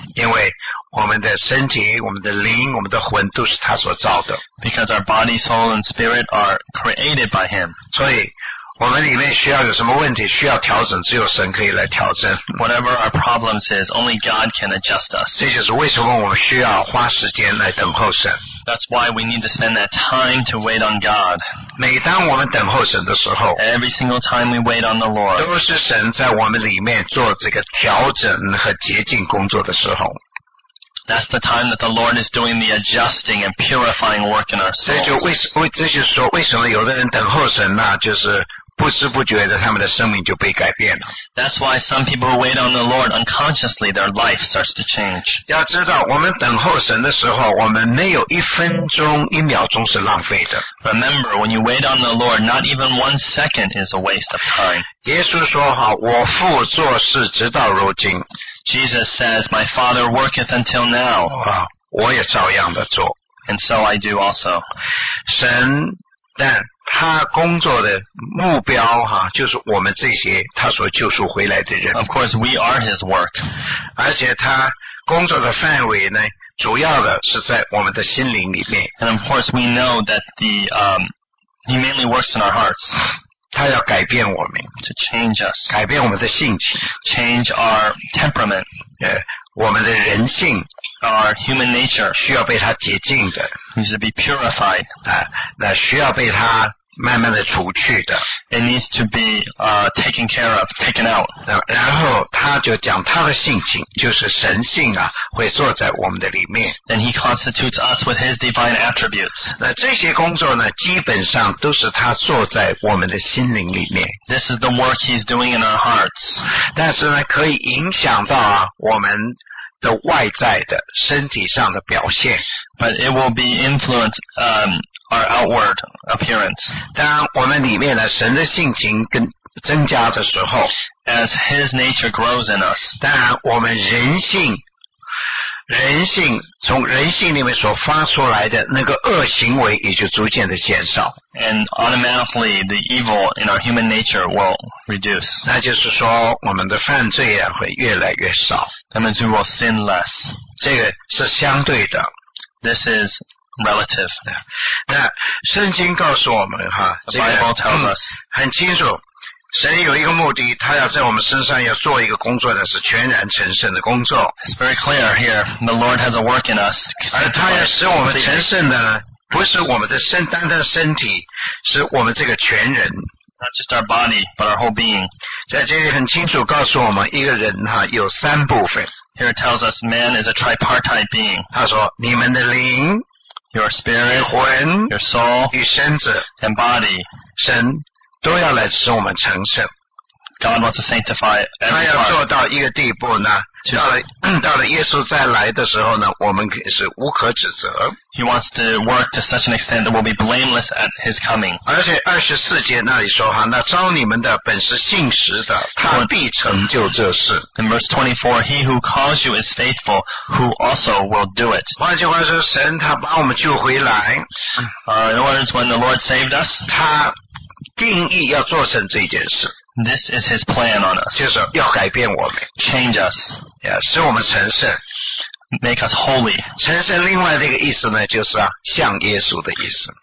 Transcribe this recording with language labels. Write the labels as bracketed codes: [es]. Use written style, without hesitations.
[zh] 因为我们的身体、我们的灵、我们的魂都是他所造的。 [en] Because our body, soul, and spirit are created by Him. [zh] 所以我们里面需要有什么问题需要调整只有神可以来调整 [en] Whatever our problems is only God can adjust us [zh] 这就是为什么我们需要花时间来等候神 [en] That's why we need to spend that time to wait on God [zh] 每当我们等候神的时候 [en] Every single time we wait on the Lord [zh] 都是神在我们里面做这个调整和洁净工作的时候 [en] That's the time that the Lord is doing the adjusting and purifying work in our souls [zh] 这就是说为什么有的人等候神呢、啊、就是不知不觉的他们的生命就被改变了 [en] That's why some people who wait on the Lord unconsciously their life starts to change [zh] 要知道我们等候神的时候我们没有一分钟一秒钟是浪费的 [en] Remember when you wait on the Lord not even one second is a waste of time [zh] 耶稣说好我父做事直到如今 [en] Jesus says my father worketh until now [zh] 我也照样的做 [en] And so I do also [zh] 神但他工作的目标哈、啊，就是我们这些他所救赎回来的人。 [en] Of course, we are his work. [zh] 而且他工作的范围呢，主要的是在我们的心灵里面。 [en] And of course, we know that he mainly works in our hearts. [zh] 他要改变我们 [en] ，to change us， [zh] 改变我们的性情 [en] ，change our temperament。 [zh] 我们的人性 [en] our human nature [zh] 需要被他洁净的 [en] needs to be purified [zh] 那需要被他慢慢的除去的 [en] it needs to be taken care of, taken out [zh] 然后他就讲他的性情就是神性啊会坐在我们的里面 [en] then he constitutes us with his divine attributes [zh] 那这些工作呢基本上都是他坐在我们的心灵里面 [en] this is the work he's doing in our hearts [zh] 但是呢可以影响到啊我们的外在的身体上的表现 [en] but it will be influenced our outward appearance. [zh] 当我们里面的神的性情跟增加的时候 [en] as his nature grows in us. [zh] 当我们人性从人性里面所发出来的那个恶行为也就逐渐的减少 [en] and automatically the evil in our human nature will reduce [zh] 那就是说我们的犯罪啊会越来越少 [en] that means we will sin less [zh] 这个是相对的 [en] this is relative [zh] 那圣经告诉我们哈 [en] the Bible tells us [zh] 很清楚神有一个目的他要在我们身上要做一个工作的是全然成圣的工作 [en] It's very clear here The Lord has a work in us [zh] 而他要使我们成圣的不是我们的身单单身体是我们这个全人 [en] Not just our body but our whole being [zh] 在这里很清楚告诉我们一个人哈有三部分 [en] Here it tells us man is a tripartite being [zh] 他说你们的灵 [en] Your spirit [zh] 你的魂 [en] Your soul [zh] 与身子 [en] And body [zh] 神都要来使我们成圣 [en] God wants to sanctify every part [zh] 他要做到一个地步呢到了耶稣再来的时候呢我们是无可指责 [en] He wants to work to such an extent that we'll be blameless at his coming [zh] 而且二十四节那里说哈那招你们的本是信实的他必成就这事 [en] In verse 24 He who calls you is faithful who also will do it [zh] 换句话说神他把我们救回来 [en] In words when the Lord saved us [zh] 他定义要做成这件事 [en] This is his plan on us [zh] 就是要改变我们 [en] Change us [zh] 使我们成圣 [en] Make us holy [zh] 成圣另外的一个意思呢就是、啊、像耶稣的意思